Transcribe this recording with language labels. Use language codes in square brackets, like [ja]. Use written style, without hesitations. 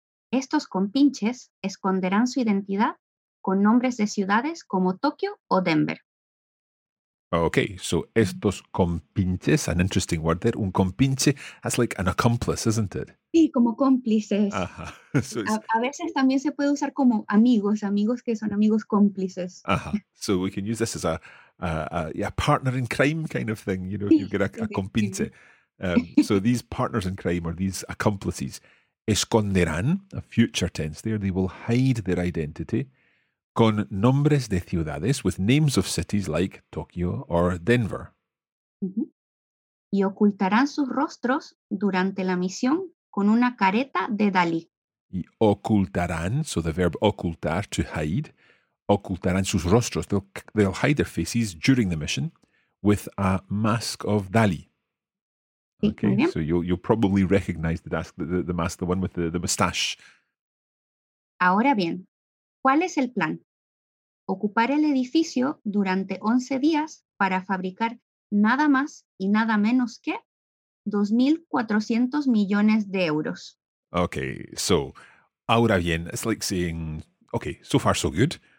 [es] Estos compinches esconderán su identidad con nombres de ciudades como Tokio o Denver. [en] Okay, so [es] estos compinches, [en] an interesting word there. [es] Un compinche, [en] that's like an accomplice, isn't it? [es] Sí, como cómplices. Ajá. So a veces también se puede usar como amigos, amigos que son amigos cómplices. Ajá. [en] So we can use this as a partner in crime kind of thing, you know, you get a compinche. So these partners in crime or these accomplices [es] esconderán, [en] a future tense there, they will hide their identity [es] con nombres de ciudades, [en] with names of cities like Tokyo or Denver. Uh-huh. [es] Y ocultarán sus rostros durante la misión con una careta de Dalí. Y ocultarán, [en] so the verb ocultar, to hide, [es] ocultarán sus rostros, [en] they'll hide their faces during the mission with a mask of Dalí. Okay, so you'll probably recognize the mask, the one with the mustache. [es] Ahora bien, ¿cuál es el plan? Ocupar el edificio durante 11 días para fabricar nada más y nada menos que 2,400 millones de euros. [en] Okay, so [es] ahora bien, [en] it's like saying, okay, so far so good.